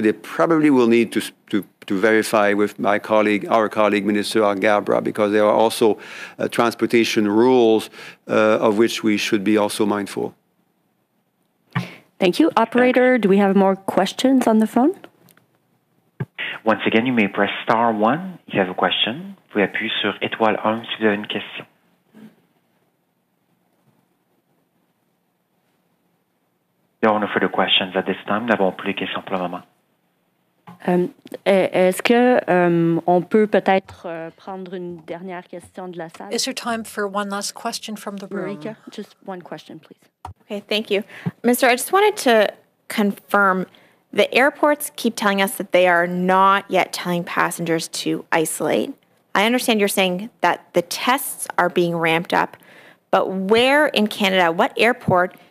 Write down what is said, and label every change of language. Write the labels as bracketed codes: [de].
[en] They probably will need to verify with our colleague, Minister Algabra, because there are also transportation rules of which we should be also mindful. Thank you. Operator, do we have more questions on the phone? Once again, you may press star 1 if you have a question. [fr] Vous appuyez sur étoile 1 si vous avez une question. [en] There are no further questions at this time. [fr] Nous n'avons plus de questions pour le moment. Est-ce que on peut peut-être prendre une dernière question de la salle? [en] Is there time for one last question from the room? Marika, just one question, please. Okay, thank you. Minister, I just wanted to confirm, the airports keep telling us that they are not yet telling passengers to isolate. I understand you're saying that the tests are being ramped up, but where in Canada, what airport